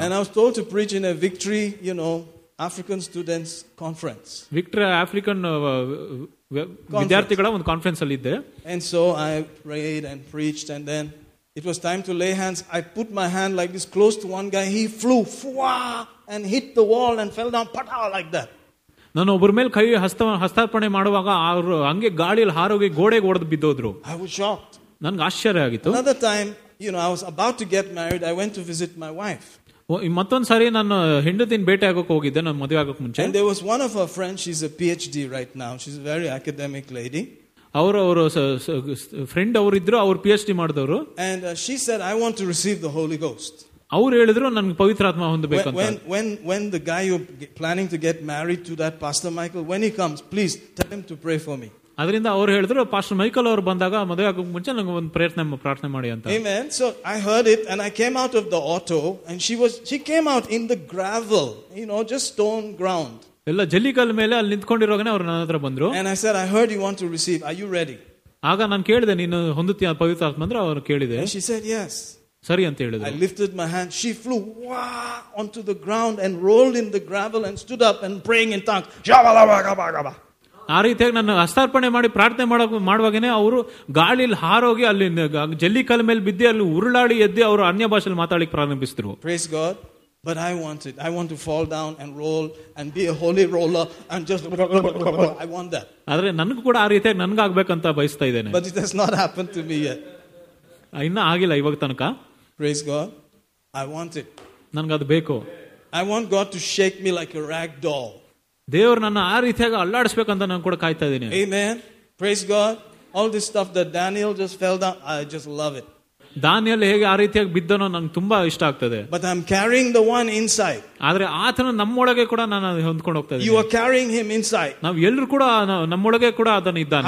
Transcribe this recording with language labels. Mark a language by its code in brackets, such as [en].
[en] And I was told to preach in a Victory, you know, African Students Conference. [kn] Victory African vidyarthigala ond conference alli idde. [en] And so I prayed and preached, and then it was time to lay hands. I put my hand like this close to one guy. He flew, fwa, and hit the wall and fell down, pata, like that. [kn] ನಾನು ಒಬ್ಬರ ಮೇಲೆ ಕೈ ಹಸ್ತಾರ್ಪಣೆ ಮಾಡುವಾಗ ಅವರು ಹಂಗೆ ಗಾಳಿಯಲ್ಲಿ ಹಾರೋಗಿ ಗೋಡೆಗೆ ಹೊಡೆದು ಬಿದ್ದೋದ್ರು. [en] I was shocked. [kn] ನನಗೆ ಆಶ್ಚರ್ಯ ಆಗಿತ್ತು. [en] Another time, you know, I was about to get married. I went to visit my wife. [kn] ಮತ್ತೊಂದು ಸಾರಿ ನಾನು ಹೆಂಡತಿನ ಭೇಟಿ ಆಗೋಕೆ ಹೋಗಿದ್ದೆ ನನ್ನ ಮದುವೆ ಆಗೋಕೆ ಮುಂಚೆ. [en] And there was one of her friends, she's a PhD right now. She's a very academic lady. [kn] ಅವರು ಫ್ರೆಂಡ್ ಅವರಿದ್ರು, ಅವರು PhD ಮಾಡಿದವರು. [en] And she said, I want to receive the Holy Ghost. [kn] ಅವ್ರು ಹೇಳಿದ್ರು ನನಗೆ ಪವಿತ್ರಾತ್ಮ ಹೊಂದಬೇಕು ಅಂತ. [en] When the guy you're planning to get married to, that Pastor Michael, when he comes, please tell him to pray for me. [kn] ಅದರಿಂದ ಅವ್ರು ಹೇಳಿದ್ರು pastor Michael ಅವರು ಬಂದಾಗ ಮದುವೆ ಆಗ ಮುಂಚೆ ನಂಗೆ ಒಂದು ಪ್ರಾರ್ಥನೆ ಮಾಡಿ ಅಂತ. [en] Amen. So I heard it and I came out of the auto and she came out in the gravel, you know, just stone ground. [kn] ಎಲ್ಲ ಜಲ್ಲಿಕಲ್ಲು ಮೇಲೆ ಅಲ್ಲಿ ನಿಂತ್ಕೊಂಡಿರೋಗನೆ ಅವ್ರು ನನ್ನ ಹತ್ರ ಬಂದ್ರು. [en] And I said, I heard you want to receive. Are you ready? [kn] ಆಗ ನಾನು ಕೇಳಿದೆ, ನೀನು ಹೊಂದುತ್ತೀಯ ಪವಿತ್ರಾತ್ಮ ಅಂದ್ರೆ ಅವರು ಕೇಳಿದೆ. [en] She said yes. [kn] ಸರಿ ಅಂತ ಹೇಳಿದ್ರು. [en] I lifted my hand. She flew on to the ground and rolled in the gravel and stood up and praying in tongues. [kn] ಆ ರೀತಿಯಾಗಿ ನನ್ನ ಹಸ್ತಾರ್ಪಣೆ ಮಾಡಿ ಪ್ರಾರ್ಥನೆ ಮಾಡುವಾಗೇನೆ ಅವರು ಗಾಳಿಯಲ್ಲಿ ಹಾರೋಗಿ ಅಲ್ಲಿ ಜಲ್ಲಿಕಲ್ ಮೇಲೆ ಬಿದ್ದು ಅಲ್ಲಿ ಉರುಳಾಡಿ ಎದ್ದು ಅವರು ಅನ್ಯ ಭಾಷೆಯಲ್ಲಿ ಮಾತಾಡಲಿಕ್ಕೆ ಪ್ರಾರಂಭಿಸಿದ್ರು. [en] Praise God. But I want it. I want to fall down and roll and be a holy roller and just I want that. [kn] ಆದರೆ ನನಗೂ ಕೂಡ ಆ ರೀತಿಯಾಗಿ ನನಗೆ ಆಗಬೇಕಂತ ಬಯಸ್ತಾ ಇದ್ದೇನೆ. [en] But it has not happened to me yet. [kn] ಇನ್ನೂ ಆಗಿಲ್ಲ ಇವಾಗ ತನಕ. [en] Praise God. I want it. [kn] ನನಗೆ ಅದು ಬೇಕು. [en] I want God to shake me like a rag doll. [kn] ದೇವರು ನನ್ನ ಆ ರೀತಿಯಾಗಿ ಅಲ್ಲಾಡಿಸಬೇಕಂತ ನಾನು ಕೂಡ ಕಾಯ್ತಾ ಇದ್ದೀನಿ. [en] Amen. Praise God. All this stuff that Daniel just fell down, I just love it. [kn] ದಾನಿಯಲ್ಲಿ ಹೇಗೆ ಆ ರೀತಿಯಾಗಿ ಬಿದ್ದನೋ ನಂಗೆ ತುಂಬಾ ಇಷ್ಟ ಆಗ್ತದೆ. [en] But I'm carrying the one inside. [kn] ಆದ್ರೆ ಆತನ ನಮ್ಮೊಳಗೆ ಕೂಡ ನಾನು ಹೊಂದ್ಕೊಂಡು ಹೋಗ್ತಾ ಇದ್ದೀನಿ. [en] You are carrying him inside. [kn] ನಾವು ಎಲ್ಲರೂ ಕೂಡ ನಮ್ಮೊಳಗೆ ಕೂಡ ಅದನ್ನ ಇದ್ದಾನೆ.